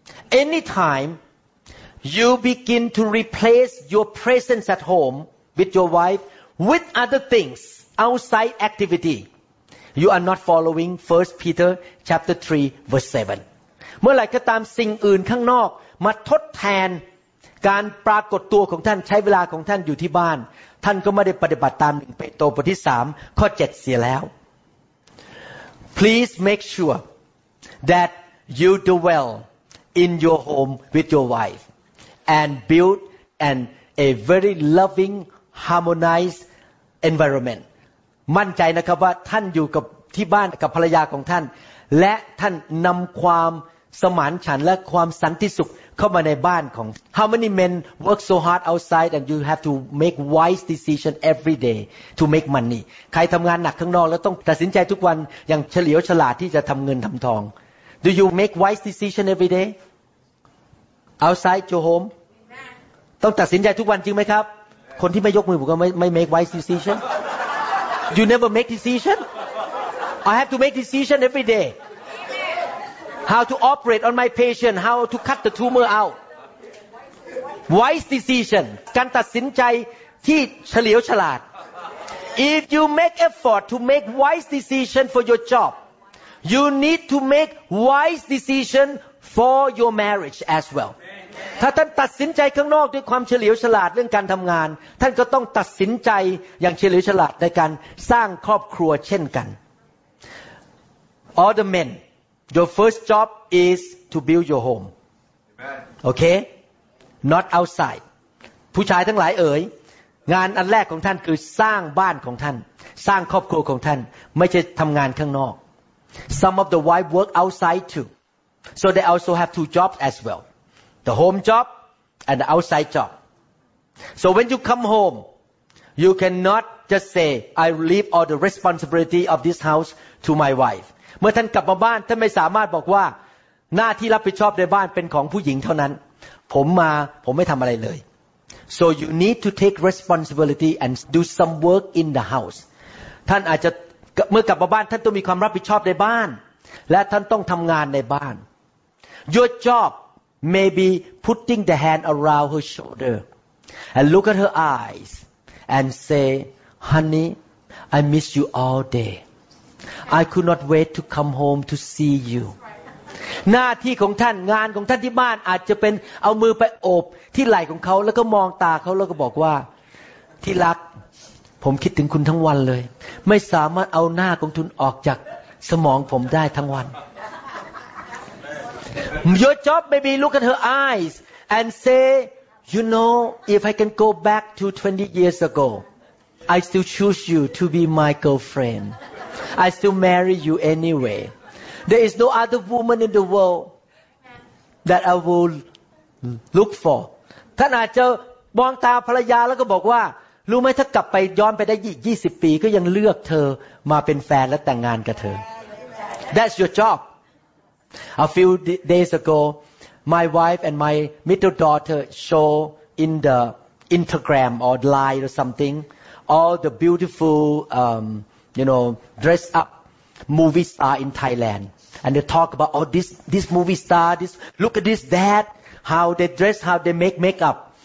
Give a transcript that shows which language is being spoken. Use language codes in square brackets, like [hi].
[en] Anytime you begin to replace your presence at home with your wife with other things outside activity you are not following 1 Peter chapter 3 verse 7 [th] เมื่อไหร่ก็ตามสิ่งอื่นข้างนอกมาทดแทนการปรากฏตัวของท่านใช้เวลาของท่านอยู่ที่บ้านท่านก็ไม่ได้ปฏิบัติตาม1เปโตรบทที่3ข้อ7เสียแล้ว [en] Please make sure that you do well in your home with your wife and build an a very loving harmonized environment [th] มั่นใจนะครับว่าท่านอยู่กับที่บ้านกับภรรยาของท่านและท่านนำความสมานฉันท์และความสันติสุขเข้ามาในบ้านของ [en] How many men work so hard outside and you have to make wise decision every day to make money [th] ใครทำงานหนักข้างนอกแล้วต้องตัดสินใจทุกวันอย่างเฉลียวฉลาดที่จะทำเงินทำทอง [en] Do you make wise decision every day outside your home [th] ต้องตัดสินใจทุกวันจริงไหมครับคนที่ไม่ยกมือผมก็ไม่ [en] make wise decision You never make decision I have to make decision every day How to operate on my patient? How to cut the tumor out? Wise decision. [th] การตัดสินใจที่เฉลียวฉลาด [en] If you make effort to make wise decision for your job, you need to make wise decision for your marriage as well. [th] ถ้าท่านตัดสินใจข้างนอกด้วยความเฉลียวฉลาดเรื่องการทำงานท่านก็ต้องตัดสินใจอย่างเฉลียวฉลาดในการสร้างครอบครัวเช่นกัน [en] All the menYour first job is to build your home. Okay? Not outside. [th] ผู้ชายทั้งหลายเอ๋ยงานอันแรกของท่านคือสร้างบ้านของท่านสร้างครอบครัวของท่านไม่ใช่ทำงานข้างนอก [en] Some of the wives work outside too. So they also have two jobs as well. The home job and the outside job. So when you come home, you cannot just say, I leave all the responsibility of this house to my wife. [th] เมื่อท่านกลับมาบ้านท่านไม่สามารถบอกว่าหน้าที่รับผิดชอบในบ้านเป็นของผู้หญิงเท่านั้นผมไม่ทำอะไรเลย [en] so you need to take responsibility and do some work in the house [th] ท่านอาจจะเมื่อกลับมาบ้านท่านต้องมีความรับผิดชอบในบ้านและท่านต้องทำงานในบ้าน [en] your job may be putting the hand around her shoulder and look at her eyes and say honey I miss you all dayI could not wait to come home to see you. [th] หน้าที่ของท่านงานของท่านที่บ้านอาจจะเป็นเอามือไปโอบที่ไหล่ของเขาแล้วก็มองตาเขาแล้วก็บอกว่าที่รักผมคิดถึงคุณทั้งวันเลยไม่สามารถเอาหน้าของคุณออกจากสมองผมได้ทั้งวัน [en] Your job may be look at her eyes and say, you know, if I can go back to 20 years ago, I still choose you to be my girlfriend. I still marry you anyway. There is no other woman in the world that I will look for. [th] ท่านอาจจะมองตาภรรยาแล้วก็บอกว่า รู้ไหมถ้ากลับไปย้อนไปได้20ปีก็ยังเลือกเธอมาเป็นแฟนและแต่งงานกับเธอ [en] That's your job A few days ago my wife and my middle daughter show in the Instagram or Line or something all the beautiful you know dress up movie star in Thailand and they talk about all this movie star this look at this that how they dress how they make makeup